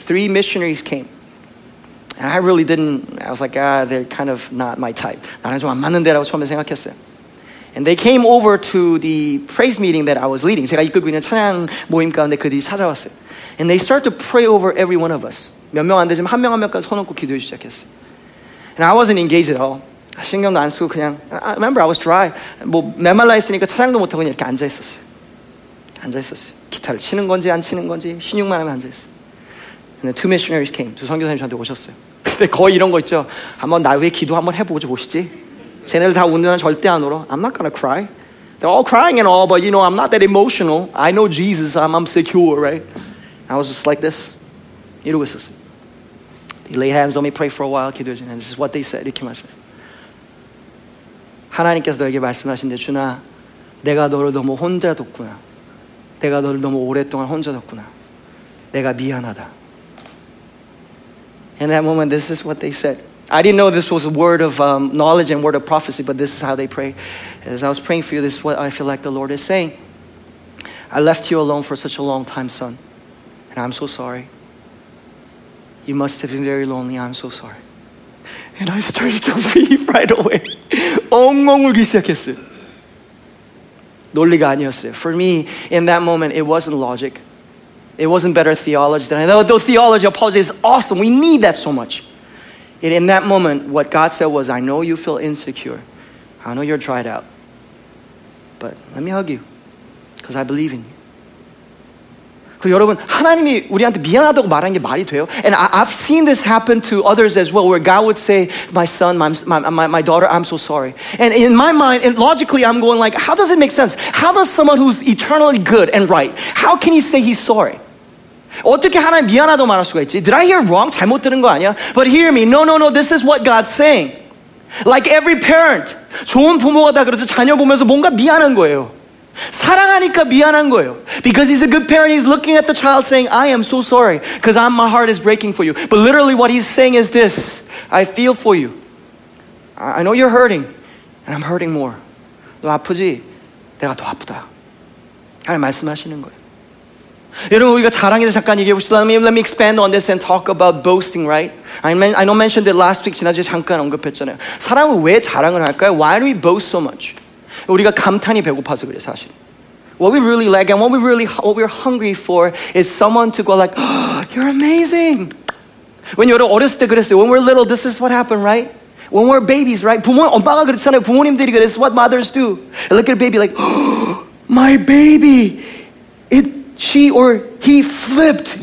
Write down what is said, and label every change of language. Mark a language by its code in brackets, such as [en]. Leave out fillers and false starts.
[en] Three missionaries came. And I really didn't, I was like, they're kind of not my type. [ko] 나랑 좀 안 맞는데라고 처음에 생각했어요. [en] And they came over to the praise meeting that I was leading. [ko] 제가 이끌고 있는 찬양 모임 가운데 그들이 찾아왔어요. [en] And they started to pray over every one of us. [ko] 몇 명 안 되지만 한 명 한 명까지 손 얹고 기도해 시작했어요. [en] And I wasn't engaged at all. [ko] 신경도 안 쓰고 그냥, [en] remember I was dry. [ko] 뭐 메말라 있으니까 찬양도 못하고 그냥 이렇게 앉아 있었어요. 기타를 치는 건지 안 치는 건지 신용만 하면 앉아 있어요. [en] And then two missionaries came. [ko] 두 선교사님 저한테 오셨어요. 근데 거의 이런 거 있죠. 한번 나 위해 기도 한번 해보고 보시지. 쟤네들 다 우는 날 절대 안 울어. [en] I'm not gonna cry. They're all crying and all, but you know, I'm not that emotional. I know Jesus. I'm secure, right? I was just like this. [ko] 이러고 있었어요. [en] They laid hands on me, prayed for a while, [ko] 기도해주는. [en] And this is what they said. [ko] 이렇게 말씀했어요. 하나님께서 너에게 말씀하신데, 주나, 내가 너를 너무 혼자 뒀구나. 내가 너를 너무 오랫동안 혼자 뒀구나. 내가 미안하다. [en] In that moment, this is what they said. I didn't know this was a word of knowledge and word of prophecy, but this is how they pray. As I was praying for you, this is what I feel like the Lord is saying. I left you alone for such a long time, son. And I'm so sorry. You must have been very lonely. I'm so sorry. And I started to weep right away. [ko] 엉엉 울기 시작했어요. 논리가 아니었어요. [en] For me, in that moment, it wasn't logic. It wasn't better theology than I thought. Though theology, apology is awesome. We need that so much. And in that moment, what God said was, I know you feel insecure. I know you're dried out. But let me hug you. Because I believe in you. [ko] 그리고 여러분, 하나님이 우리한테 미안하다고 말한 게 말이 돼요? [en] And I've seen this happen to others as well, where God would say, my son, my daughter, I'm so sorry. And in my mind, and logically, I'm going like, how does it make sense? How does someone who's eternally good and right, how can he say he's sorry? [ko] 어떻게 하나님 미안하다고 말할 수가 있지? [en] Did I hear wrong? [ko] 잘못 들은 거 아니야? [en] But hear me, no, this is what God's saying. Like every parent, [ko] 좋은 부모가 다 그래서 자녀 보면서 뭔가 미안한 거예요. 사랑하니까 미안한 거예요. [en] Because he's a good parent, he's looking at the child saying, I am so sorry, because my heart is breaking for you. But literally what he's saying is this, I feel for you. I know you're hurting, and I'm hurting more. [ko] 너 아프지? 내가 더 아프다. 하나님 말씀하시는 거예요. 여러분, 우리가 자랑에서 잠깐 얘기해 봅시다. [en] Let me expand on this and talk about boasting, right? I know I mentioned it last week, [ko] 지난주에 잠깐 언급했잖아요. 사람은 왜 자랑을 할까요? [en] Why do we boast so much? [ko] 우리가 감탄이 배고파서 그래, 사실. [en] What we really like and what we're hungry for is someone to go like, oh, you're amazing. When you're [ko] 어렸을 때 그랬어요. [en] When we're little, this is what happened, right? When we're babies, right? [ko] 엄마가 그랬잖아요. 부모님들이 그래. [en] This is what mothers do. I look at a baby like, oh, my baby. She or he flipped.